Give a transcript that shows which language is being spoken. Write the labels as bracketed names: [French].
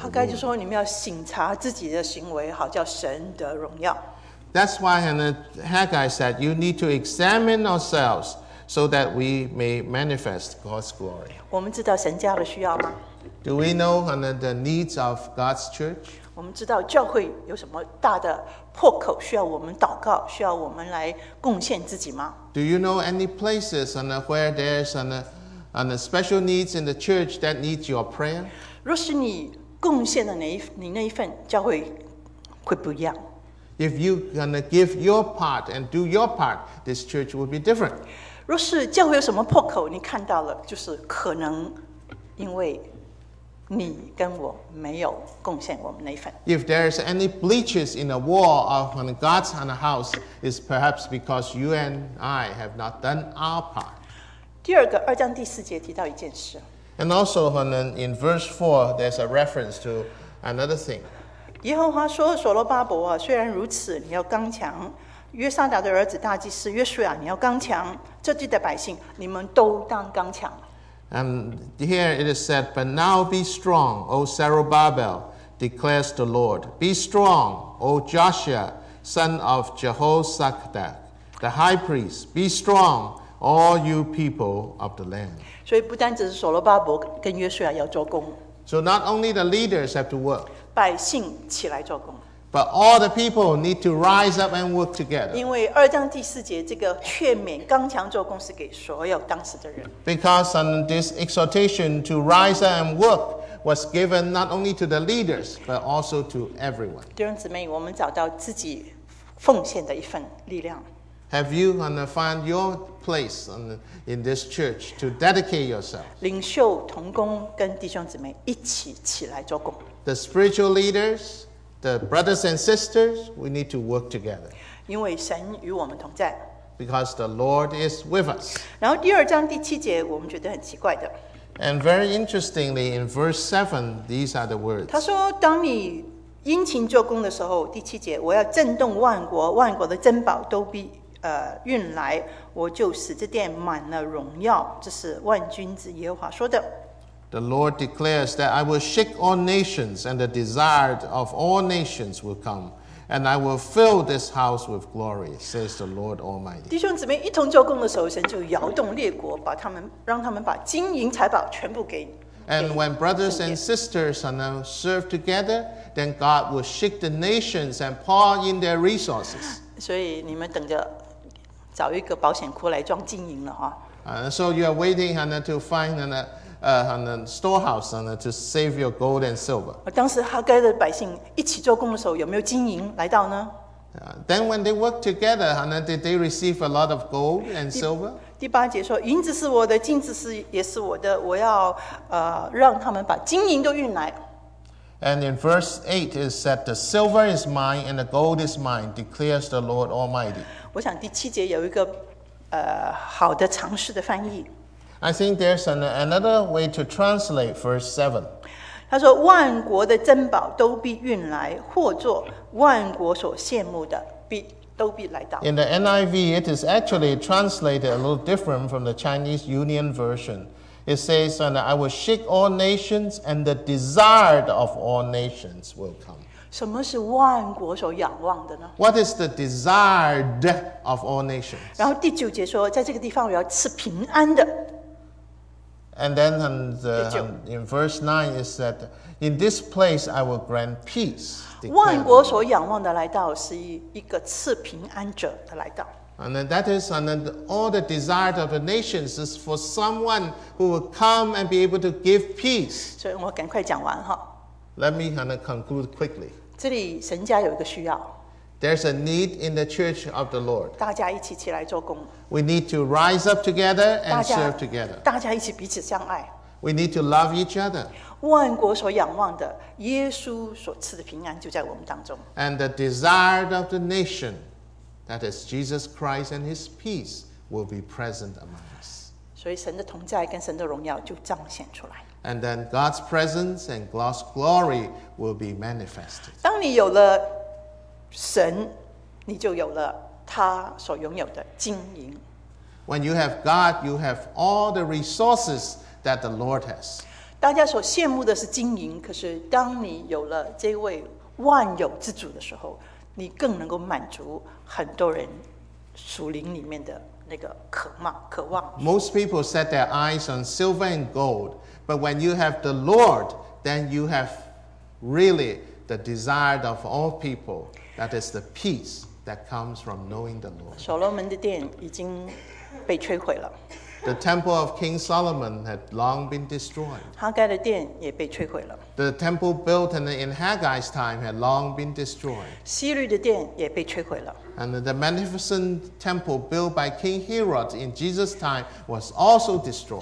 [Chinese] 哈该就说你们要省察自己的行为，好叫神得荣耀。 [English] That's why Haggai said you need to examine ourselves so that we may manifest God's glory. [Chinese] 我们知道神家的需要吗 [English] ？Do we know the needs of God's church? [Chinese] 我们知道教会有什么大的破口需要我们祷告，需要我们来贡献自己吗 [English] ？Do you know any places and where there's and special needs in the church that needs your prayer？ [Chinese] 若是你贡献的你那一份，教会会不一样。 [English] If you gonna give your part and do your part, this church will be different。 [Chinese] 若是教会有什么破口，你看到了，就是可能因为。你跟我没有贡献我们那一份。 [English] If there is any breaches in the wall of God's house, it's perhaps because you and I have not done our part. [Chinese] 第二个，二章第四节提到一件事。 [English] And also, in verse 4, there's a reference to another thing. [Chinese] 耶和华说：“所罗巴伯啊，虽然如此，你要刚强；约撒达的儿子大祭司约书亚，你要刚强；这地的百姓，你们都当刚强。” [English] And here it is said, But now be strong, O Zerubbabel, declares the Lord. Be strong, O Joshua, son of Jehozadak, the high priest. Be strong, all you people of the land. [Chinese] 所以不单只是所罗巴伯跟约书亚要做工。 [English] So not only the leaders have to work. [Chinese] 百姓起来做工。 [English] But all the people need to rise up and work together. [Chinese] 因为二章第四节这个劝勉刚强做工是给所有当时的人。 [English] Because this exhortation to rise up and work was given not only to the leaders, but also to everyone. [Chinese] 弟兄姊妹，我们找到自己奉献的一份力量。 [English] Have you found your place in this church to dedicate yourself? [Chinese] 领袖同工跟弟兄姊妹一起起来做工。 [English] The spiritual leaders,The brothers and sisters, we need to work together. [Chinese] 因为神与我们同在。 [English] Because the Lord is with us. [Chinese] 然后第二章第七节，我们觉得很奇怪的。 [English] And very interestingly, in verse 7, these are the words. [Chinese] 他说，当你殷勤做工的时候，第七节，我要震动万国，万国的珍宝都必运来，我就使这殿满了荣耀。这是万军之耶和华说的。 [English] The Lord declares that I will shake all nations, and the desired of all nations will come, and I will fill this house with glory, says the Lord Almighty. [Chinese] 弟兄姊妹一同做工的时候，神就摇动列国，把他们让他们把金银财宝全部给 [English] And when brothers and sisters serve together, then God will shake the nations and pour in their resources. [Chinese] 所以你们等着找一个保险库来装金银了哈。 [English] So you are waiting to find a storehouse to save your gold and silver. [Chinese] 当时哈该的百姓一起做工的时候，有没有金银来到呢？ [English] Then when they work together, did they receive a lot of gold and silver? [Chinese] 第八节说，银子是我的，金子是也是我的，我要让他们把金银都运来。 [English] And in verse 8 it said, the silver is mine and the gold is mine, declares the Lord Almighty. [Chinese] 我想第七节有一个好的尝试的翻译。 [English] I think there's another way to translate verse 7. [Chinese] 他说万国的珍宝都必运来，或作万国所羡慕的必都必来到。 [English] In the NIV, it is actually translated a little different from the Chinese Union version. It says, and I will shake all nations, and the desired of all nations will come. [Chinese] 什么是万国所仰望的呢？ [English] What is the desired of all nations? [Chinese] 然后第九节说，在这个地方我要赐平安的。 [English] And then in verse 9 it said, in this place I will grant peace. [Chinese] 万国所仰望的来到是一个赐平安者的来到。 [English] And then that is, and then all the desire of the nations is for someone who will come and be able to give peace. [Chinese] 所以我赶快讲完哈。 [English] Let me conclude quickly. [Chinese] 这里神家有一个需要。 [English] There's a need in the church of the Lord. [Chinese] 大家一起起来做工。 [English] We need to rise up together and serve together. [Chinese] 大家一起彼此相爱。 [English] We need to love each other. [Chinese] 万国所仰望的，耶稣所赐的平安就在我们当中。 [English] And the desire of the nation, that is Jesus Christ and His peace, will be present among us. [Chinese] 所以神的同在跟神的荣耀就彰显出来。 [English] And then God's presence and God's glory will be manifested. [Chinese] 当你有了神，你就有了他所拥有的金银。 [English] When you have God, you have all the resources that the Lord has. [Chinese] 大家所羡慕的是金银，可是当你有了这位万有之主的时候，你更能够满足很多人属灵里面的那个渴望。 [English] Most people set their eyes on silver and gold, but when you have the Lord, then you have really the desire of all people. That is the peace that comes from knowing the Lord. [Chinese] 所罗门的殿已经被摧毁了。 [English] The temple of King Solomon had long been destroyed. [Chinese] 哈该的殿也被摧毁了。 [English] The temple built in Haggai's time had long been destroyed. [Chinese] 希律的殿也被摧毁了。 [English] And the magnificent temple built by King Herod in Jesus' time was also destroyed.